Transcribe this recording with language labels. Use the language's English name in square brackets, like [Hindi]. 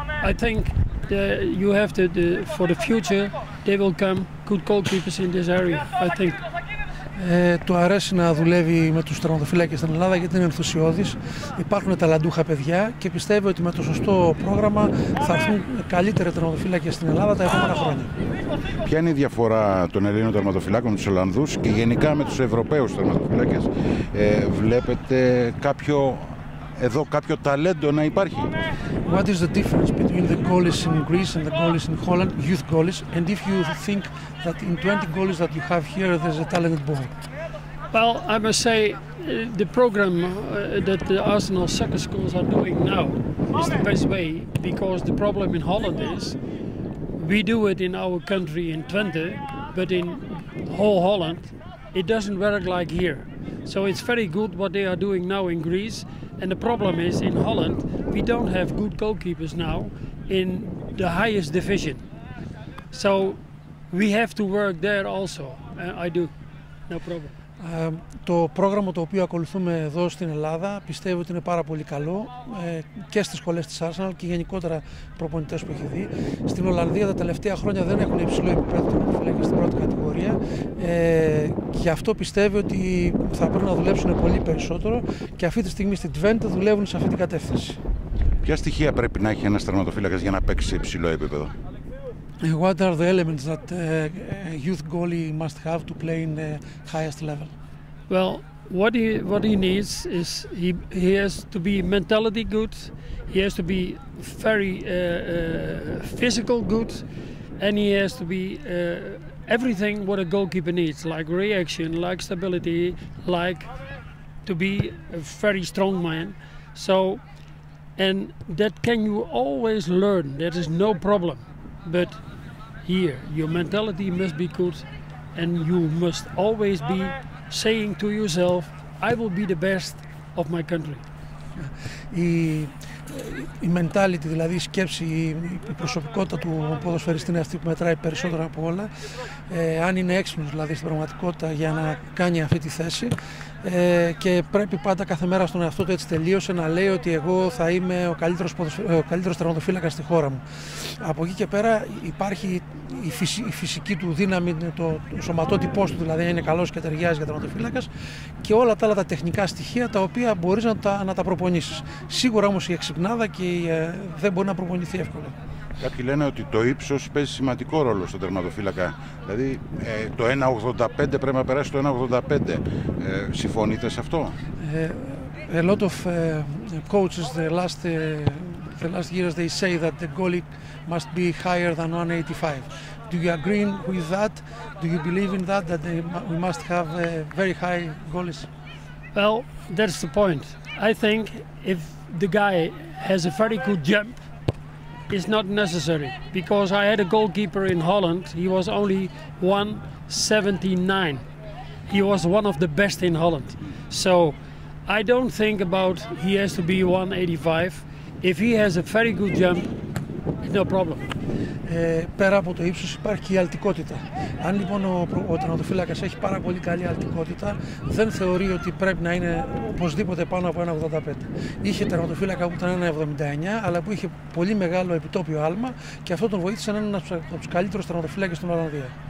[English] I think you have for the future they will come good goalkeepers in this area. I think. [Greek] Του αρέσει να δουλεύει με τους τερματοφύλακες στην Ελλάδα γιατί είναι ενθουσιώδης. Υπάρχουν ταλαντούχα παιδιά και πιστεύει ότι με το σωστό πρόγραμμα θα έρθουν καλύτεροι τερματοφύλακες στην Ελλάδα τα επόμενα χρόνια. Ποια είναι η διαφορά των Ελλήνων τερματοφυλάκων με τους Ολλανδούς και γενικά με τους Ευρωπαίους τερματοφύλακες? Βλέπετε κάποιο ταλέντο να υπάρχει? [English] What is the difference between the goalies in Greece and the goalies in Holland, youth goalies, and if you think that in 20 goalies that you have here there's a talented boy? Well, I must say the program that the Arsenal soccer schools are doing now is the best way, because the problem in Holland is we do it in our country in 20, but in whole Holland it doesn't work like here. So it's very good what they are doing now in Greece. And the problem is in Holland we don't have good goalkeepers now in the highest division. So we have to work there also. I do. No problem. [Greek] Το πρόγραμμα το οποίο ακολουθούμε εδώ στην Ελλάδα πιστεύω ότι είναι πάρα πολύ καλό και στις σχολές της Arsenal και γενικότερα προπονητές που έχει δει. Στην Ολλανδία τα τελευταία χρόνια δεν έχουν υψηλό επίπεδο τερματοφυλάκες στην πρώτη κατηγορία. Γι' αυτό πιστεύει ότι θα πρέπει να δουλέψουν πολύ περισσότερο και αυτή τη στιγμή στην Τβέντε δουλεύουν σε αυτή την κατεύθυνση. Ποια στοιχεία πρέπει να έχει ένας τερματοφύλακας για να παίξει σε υψηλό επίπεδο? [English] What are the elements that a youth goalie must have to play in the highest level? Well, what he needs is he has to be mentality good, he has to be very physical good, and he has to be everything what a goalkeeper needs, like reaction, like stability, like to be a very strong man. So, and that can you always learn, that is no problem, but here your mentality must be good and you must always be saying to yourself I will be the best of my country. [Greek] Η mentality, δηλαδή η σκέψη, η προσωπικότητα του ποδοσφαιριστή είναι αυτή που μετράει περισσότερο από όλα. Αν είναι έξυπνος δηλαδή στην πραγματικότητα για να κάνει αυτή τη θέση και πρέπει πάντα κάθε μέρα στον εαυτό του, έτσι τελείωσε, να λέει ότι εγώ θα είμαι ο καλύτερος τερματοφύλακας στη χώρα μου. Από εκεί και πέρα υπάρχει η φυσική του δύναμη, το σωματότυπός του, δηλαδή είναι καλός και ταιριάζει για τερματοφύλακας, και όλα τα άλλα τα τεχνικά στοιχεία τα οποία μπορείς να τα προπονήσεις. Σίγουρα όμως η εξυπνάδα και δεν μπορεί να προπονηθεί εύκολα. Κάποιοι λένε ότι το ύψος παίζει σημαντικό ρόλο στον τερματοφύλακα. Δηλαδή το 1,85 πρέπει να περάσει το 1,85. Συμφωνείτε σε αυτό? [English] A lot of coaches the last years they say that the goalie must be higher than 185. Do you agree with that? Do you believe in that, that we must have very high goalies? Well, that's the point. I think if the guy has a very good jump, it's not necessary. Because I had a goalkeeper in Holland, he was only 179. He was one of the best in Holland. So I don't think about he has to be 185. If he has a very good jump, no problem. [Greek] Πέρα από το ύψος υπάρχει η αλτικότητα. Αν λοιπόν ο τερματοφύλακας έχει πάρα πολύ καλή αλτικότητα, δεν θεωρεί ότι πρέπει να είναι οπωσδήποτε πάνω από 1,85. Είχε τερματοφύλακα που ήταν 1,79, αλλά που είχε πολύ μεγάλο επιτόπιο άλμα και αυτό τον βοήθησε να είναι ένας από τους καλύτερους τερματοφύλακες στην Ολλανδία.